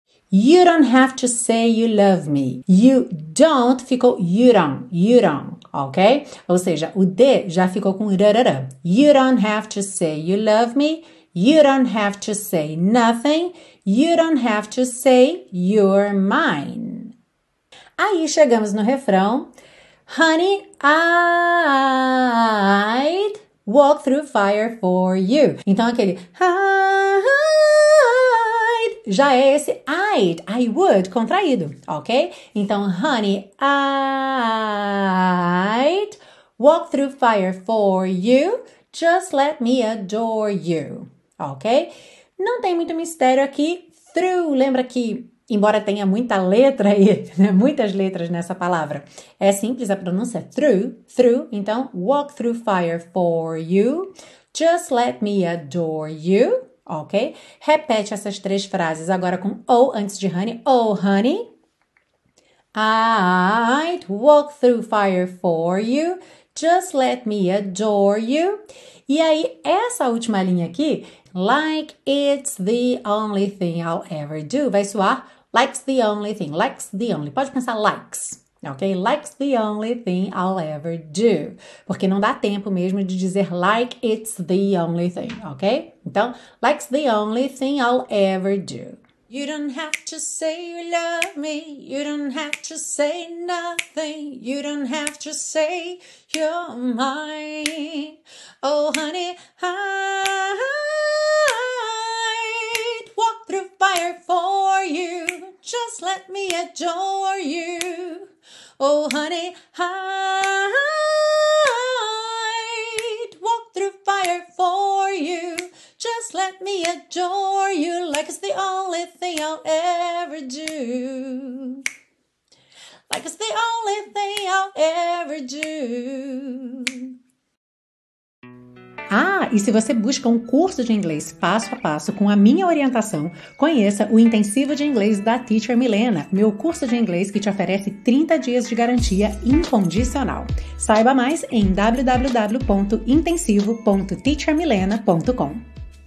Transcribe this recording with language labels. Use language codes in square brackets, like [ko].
[en] You don't have to say you love me. You don't ficou you don't, ok? [pt] Ou seja, o D já ficou com rarara. [en] You don't have to say you love me. You don't have to say nothing. You don't have to say you're mine. [pt] Aí chegamos no refrão. [en] Honey, I'd walk through fire for you. [pt] Então aquele I'd já é esse I'd, I would, contraído, ok? [en] Então, honey, I'd walk through fire for you. Just let me adore you. Ok? [pt] Não tem muito mistério aqui. Through, lembra que, embora tenha muita letra aí, né, muitas letras nessa palavra, é simples a pronúncia. [en] Through, through. Então, walk through fire for you. Just let me adore you. Ok? [pt] Repete essas três frases agora com oh antes de honey. [en] Oh, honey. I'd walk through fire for you. Just let me adore you. [pt] E aí, essa última linha aqui, [en] like it's the only thing I'll ever do, [pt] vai soar [en] like's the only thing, like's the only. [pt] Pode pensar likes, ok? [en] Like's the only thing I'll ever do. [pt] Porque não dá tempo mesmo de dizer [en] like it's the only thing, [pt] ok? [en] Então, like's the only thing I'll ever do. You don't have to say you love me. You don't have to say nothing. You don't have to say you're mine. Oh, honey, I'd walk through fire for you. Just let me adore you. Oh, honey, I'd walk through fire for you. Just let me adore you like it's the only thing I'll ever do. Like it's the only thing I'll ever do. [pt] Ah, e se você busca um curso de inglês passo a passo com a minha orientação, conheça o Intensivo de Inglês da Teacher Milena, meu curso de inglês que te oferece 30 dias de garantia incondicional. Saiba mais em www.intensivo.teachermilena.com.